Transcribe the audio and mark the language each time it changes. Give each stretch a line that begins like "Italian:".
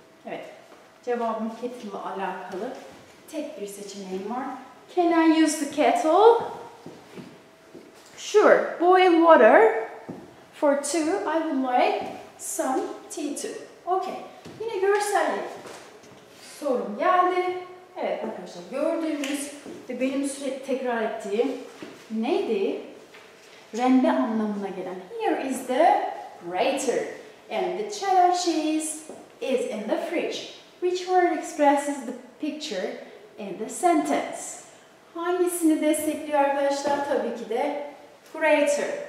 Turkish: Evet, cevabım kettle ile alakalı. Tek bir seçeneğim var.
English: Can I use the kettle? Sure. Boil water. For two, I would like some tea too.
Turkish: Okay. Yine görsel sorum geldi. Evet arkadaşlar, gördüğümüz ve benim sürekli tekrar ettiğim neydi? Rende anlamına gelen.
English: Here is the grater and the cheddar cheese is in the fridge. Which word expresses the picture in the sentence?
Turkish: Hangisini destekliyor arkadaşlar? Tabii ki de grater.